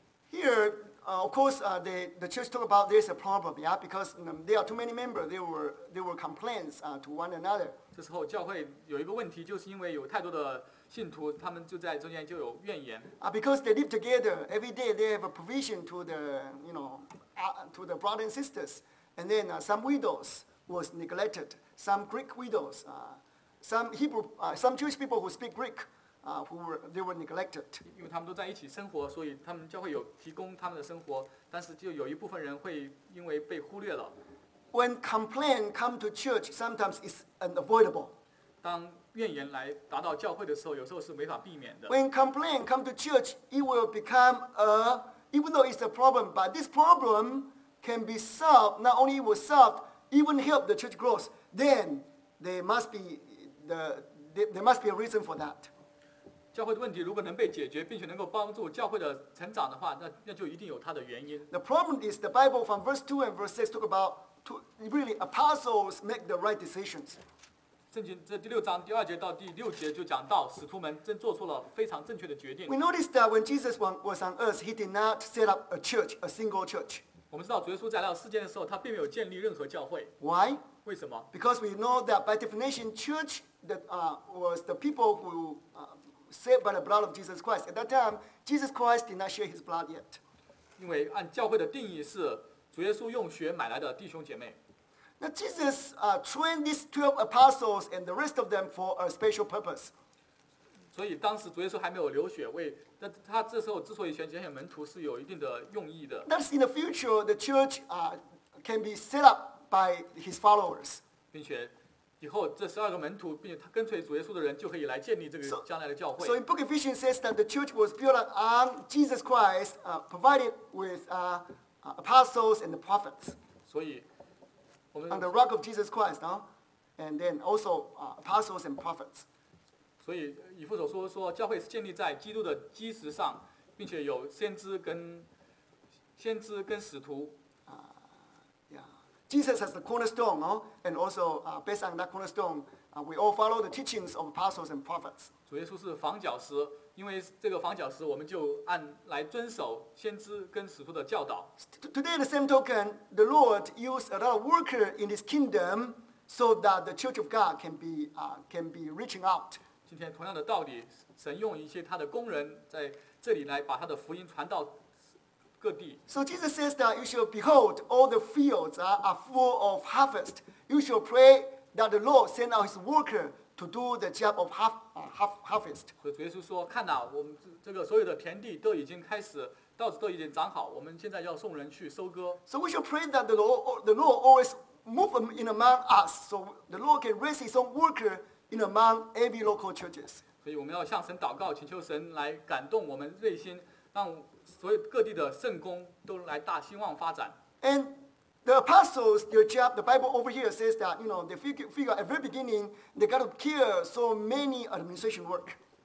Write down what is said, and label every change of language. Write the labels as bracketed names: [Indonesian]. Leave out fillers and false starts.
[English] Here,of course, the church talk about there's a problem, yeah, because there are too many members. There were complaints to one another. [Chinese] 这时候教会有一个问题，就是因为有太多的信徒，他们就在中间就有怨言。 [English] Because they live together every day, they have a provision to the to the brothers and sisters, and then some widows was neglected, some Greek widows, some Hebrew, some Jewish people who speak Greek. They were neglected. [Chinese] 因为他们都在一起生活，所以他们教会有提供他们的生活，但是就有一部分人会因为被忽略了。 [English] When complaint come to church, sometimes it's unavoidable. [Chinese] 当怨言来达到教会的时候，有时候是没法避免的。 [English] When complaint come to church, it will become even though it's a problem, but this problem can be solved. Not only will solve, even help the church grow. Then there must be a reason for that. [Chinese] 教会的问题如果能被解决，并且能够帮助教会的成长的话，那就一定有它的原因。 [English] The problem is the Bible from verse 2 and verse 6 talk about to really apostles make the right decisions. [Chinese] 圣经这第六章第二节到第六节就讲到使徒们正做出了非常正确的决定。 [English] We notice that when Jesus was on earth, he did not set up a church, a single church. [Chinese] 我们知道主耶稣在来到世间的时候，他并没有建立任何教会。 [English] Why? [Chinese] 为什么 [English] ？Because we know that by definition, church that was the people who saved by the blood of Jesus Christ. At that time, Jesus Christ did not shed his blood yet. [Chinese] 因为按教会的定义是主耶稣用血买来的弟兄姐妹。 [English] Now Jesus trained these 12 apostles and the rest of them for a special purpose. [Chinese] 所以当时主耶稣还没有流血，为那他这时候之所以选拣选门徒是有一定的用意的。 [English] That's in the future, the church can be set up by his followers. [Chinese] 并且以后这十二个门徒，并且他跟随主耶稣的人，就可以来建立这个将来的教会。 [English] So in Book of Ephesians says that the church was built on Jesus Christ, provided with apostles and the prophets. [Chinese] 所以，我们 [English] on the rock of Jesus Christ, no, and then also apostles and prophets. [Chinese] 所以以弗所说说教会是建立在基督的基石上，并且有先知跟使徒。 [English] Jesus has the cornerstone, no? And also based on that cornerstone, we all follow the teachings of apostles and prophets. [Chinese] 主耶稣是房角石，因为这个房角石，我们就按来遵守先知跟使徒的教导。 [English] Today, the same token, the Lord used a lot of workers in His kingdom so that the church of God can be reaching out. [Chinese] 今天同样的道理，神用一些他的工人在这里来把他的福音传到。 [English] So Jesus says that you shall behold all the fields are full of harvest. You shall pray that the Lord send out His worker to do the job of harvest. [Chinese] 主耶稣说，看哪，我们这个所有的田地都已经开始，稻子都已经长好，我们现在要送人去收割。 [English] So we shall pray that the Lord always move in among us, so the Lord can raise His own worker in among every local churches. [Chinese] 所以我们要向神祷告，请求神来感动我们内心，让所以各地的圣工都来大兴旺发展。 [English] And The apostles, your job, the Bible over here says that, you know, they figure at the very beginning, they got to care so many administration work.